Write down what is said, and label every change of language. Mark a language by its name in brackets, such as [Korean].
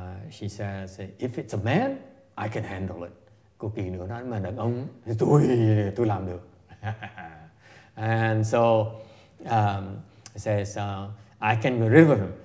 [English] She says, if it's a man, I can handle it. [Vietnamese] Cô kỳ nữ nói, mà đàn ông thì tôi làm được. [English] And so, says, I can get rid of him.